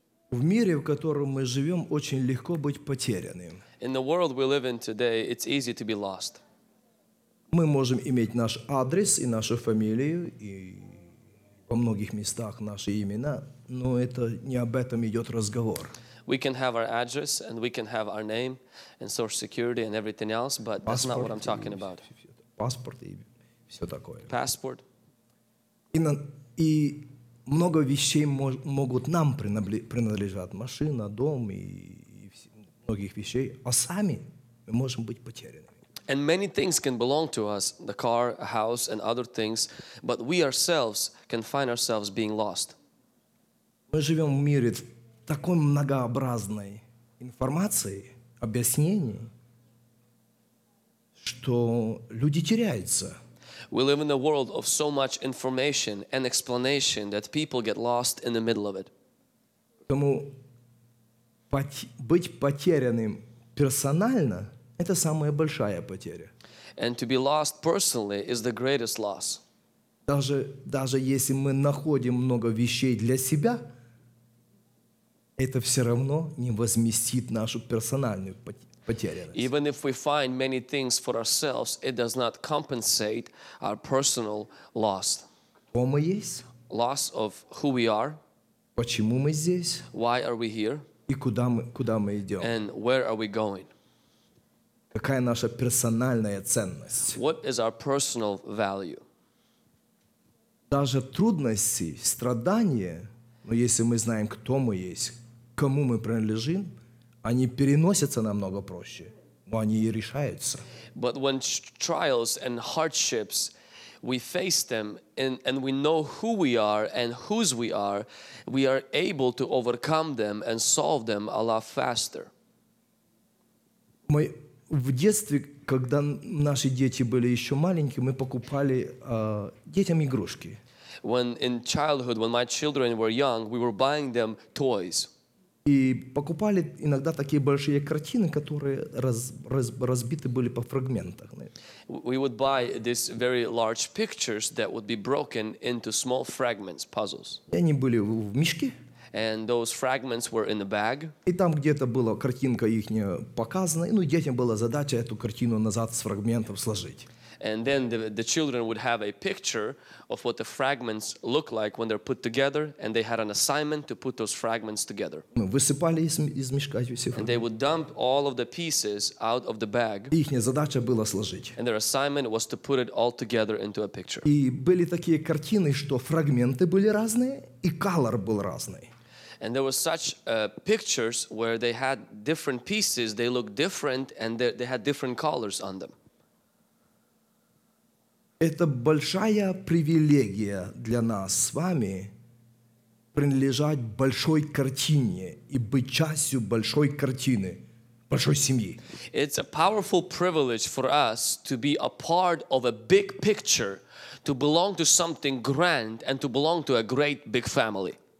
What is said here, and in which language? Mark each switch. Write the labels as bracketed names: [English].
[Russian] В мире, в котором мы живем, очень легко быть потерянным. [English] In the world we live in today, it's easy to be lost. [Russian] Мы можем иметь наш адрес и нашу фамилию, и во многих местах наши имена, но это не об этом идет разговор. [English] We can have our address, and we can have our name, and social security, and everything else, but that's not what I'm talking about. [Russian] Паспорт и все такое. [English] Passport. [Russian] И много вещей могут нам принадлежать. Машина, дом и многих вещей. А сами мы можем быть потеряны. [English] And many things can belong to us, the car, a house, and other things, but we ourselves can find ourselves being lost. [Russian] Мы живем в мире такой многообразной информации, объяснений, что люди теряются. [English] We live in a world of so much information and explanation that people get lost in the middle of it. [Russian] Поэтому быть потерянным персонально – это самая большая потеря. [English] And to be lost personally is the greatest loss. [Russian] Даже если мы находим много вещей для себя, это все равно не возместит нашу персональную потерянность. [English] Even if we find many things for ourselves, it does not compensate our personal loss. [Russian] Кто мы есть? [English] Loss of who we are. [Russian] Почему мы здесь? [English] Why are we here? [Russian] И куда мы идем? [English] And where are we going? [Russian] Какая наша персональная ценность? [English] What is our personal value? [Russian] Даже трудности, страдания, но если мы знаем, кто мы есть, кому мы принадлежим, они переносятся намного проще, но они и решаются. [English] But when trials and hardships, we face them, and we know who we are and whose we are able to overcome them and solve them a lot faster. [Russian] Мы в детстве, когда наши дети были еще маленькие, мы покупали детям игрушки. [English] When in childhood, when my children were young, we were buying them toys. [Russian] И покупали иногда такие большие картины, которые разбиты были по фрагментах. [English] We would buy these very large pictures that would be broken into small fragments, puzzles. [Russian] И они были в мешке. [English] And those fragments were in the bag. [Russian] И там где-то была картинка ихняя показана, ну, детям была задача эту картину назад с фрагментов сложить. [English] And then the children would have a picture of what the fragments look like when they're put together, and they had an assignment to put those fragments together. [Russian] Мы высыпали из мешка эти фрагменты. [English] And they would dump all of the pieces out of the bag. [Russian] Ихняя задача была сложить. [English] And their assignment was to put it all together into a picture. [Russian] И были такие картины, что фрагменты были разные, и color был разный. [English] And there were such pictures where they had different pieces, they looked different, and they had different colors on them. [Russian] Это большая привилегия для нас с вами принадлежать большой картине и быть частью большой картины, большой семьи. [English] It's a powerful privilege for us to be a part of a big picture, to belong to something grand and to belong to a great big family.